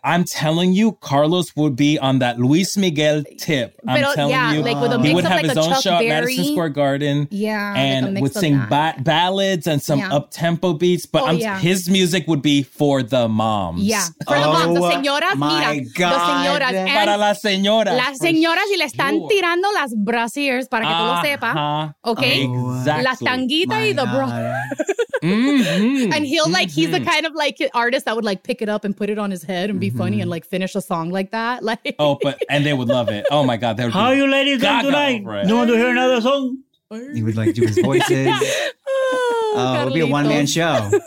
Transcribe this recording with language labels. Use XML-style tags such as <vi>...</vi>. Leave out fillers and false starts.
<en>I'm telling you, Carlos would be on that Luis Miguel tip. I'm telling you. Like with a mix he would of have like his own Chuck show Berry. At Madison Square Garden. Yeah. And like would sing ballads and some up-tempo beats. But his music would be for the moms. Yeah. For the moms. The señoras,</en> <es>mira.</es> <en>My God. The señoras.</en> <es>Para las señoras. Las señoras y le están tirando las brasieres para que tú lo sepas.</es> <en>Okay. Exactly.</en> <es>La tanguita y</es> <en>the bro. And he'll like, he's the kind of like artist that would like pick it up and put it on his head and be funny and like finish a song like that. Like, oh, but and they would love it. Oh my God. How are you ladies doing tonight? You want to hear another song? He would like do his voices. Oh, it would be a one man show.</en>